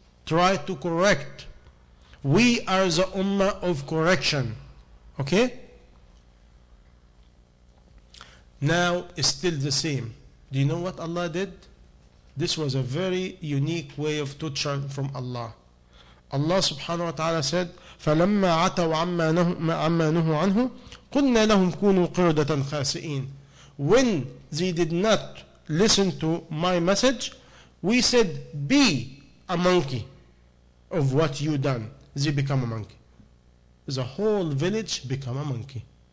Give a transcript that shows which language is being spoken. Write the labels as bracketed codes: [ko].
[en] Try to correct. We are the ummah of correction. Okay? Now, it's still the same. Do you know what Allah did? This was a very unique way of torture from Allah. Allah subhanahu wa ta'ala said, [ar] فَلَمَّا عَتَوْا عَمَّا نُهُ عَنْهُ قُلْنَا لَهُمْ كُونُوا قِرْدَةً خَاسِئِينَ. [en] When they did not listen to my message, we said, be a monkey of what you done. They become a monkey. The whole village become a monkey.